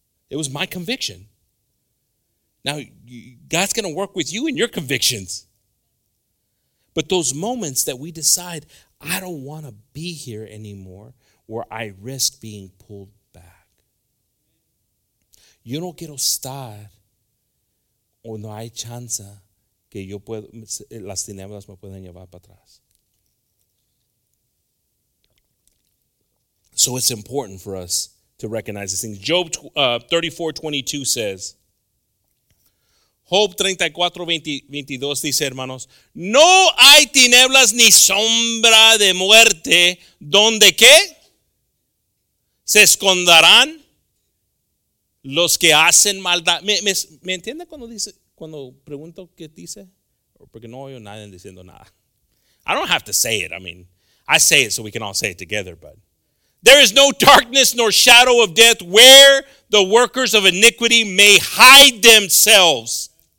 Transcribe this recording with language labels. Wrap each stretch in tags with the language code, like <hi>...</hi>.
<en>It was my conviction. Now, God's going to work with you and your convictions. But those moments that we decide, I don't want to be here anymore, where I risk being pulled back.</en> <es>Yo no quiero estar o no hay chance que yo puedo, las tinieblas me pueden llevar para atrás.</es> <en>So it's important for us to recognize these things. Job 34:22 says,</en> <es>Job 34:22 dice, hermanos, no hay tinieblas ni sombra de muerte donde que se esconderán los que hacen maldad. ¿Me entiende cuando dice, cuando pregunto qué dice? Porque no oigo nadie diciendo nada.</es> <en>I don't have to say it. I mean, I say it so we can all say it together, but there is no darkness nor shadow of death where the workers of iniquity may hide themselves.</en>